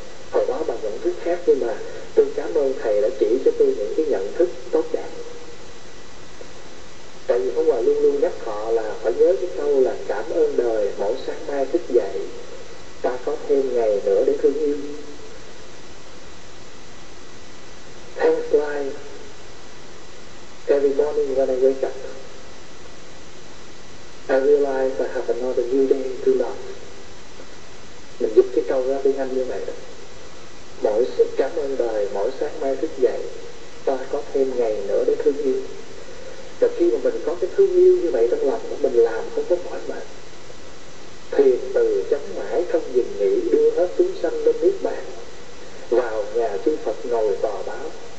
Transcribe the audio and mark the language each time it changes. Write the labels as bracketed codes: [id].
[vi] Hồi đó bà nhận thức khác, nhưng mà tôi cảm ơn thầy đã chỉ cho tôi những cái nhận thức tốt đẹp. Tại vì Pháp Hòa luôn luôn nhắc họ là phải nhớ cái câu là cảm ơn đời mỗi sáng mai thức dậy, ta có thêm ngày nữa để thương yêu. [en] Thanks life, every morning when I wake up, I realize I have another new day to love. [vi] Mình dịch cái câu ra tiếng Anh như vậy đó. Mỗi sự cảm ơn đời mỗi sáng mai thức dậy, ta có thêm ngày nữa để thương yêu. Và khi mà mình có cái thương yêu như vậy trong lòng, mình làm không có mỏi mệt. thiền từ chánh mãi không dừng nghỉ, đưa hết chúng sanh lên nước bạn, vào nhà chư Phật ngồi tòa báo.